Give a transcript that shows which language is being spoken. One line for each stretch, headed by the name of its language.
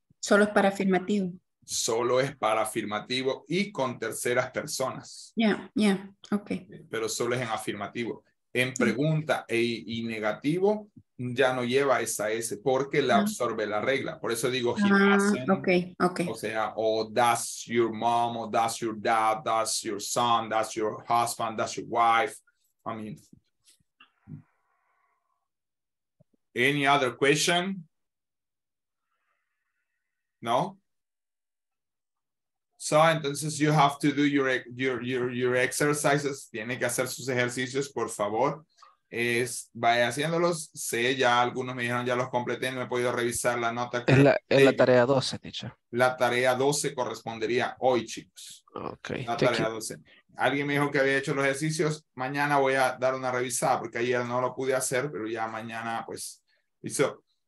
Spanish: Solo es para afirmativo. Solo es para afirmativo y con terceras personas.
English: Yeah, okay.
Spanish: Pero solo es en afirmativo. En pregunta y negativo ya no lleva esa S porque la absorbe la regla. Por eso digo,
English: he doesn't. Okay.
Spanish: O sea,
English: does your mom, or does your dad, does your son, does your husband, does your wife. I mean, any other question? No? So,
Spanish: entonces,
English: you have to do your exercises.
Spanish: Tiene que hacer sus ejercicios, por favor. Vaya haciéndolos. Sé, ya algunos me dijeron, ya los completé. No he podido revisar la nota. Es la tarea 12, dicho. La tarea 12 correspondería hoy, chicos. Ok. La tarea 12. Alguien me dijo que había hecho los ejercicios. Mañana voy a dar una revisada, porque ayer no lo pude hacer, pero ya mañana, pues, hizo.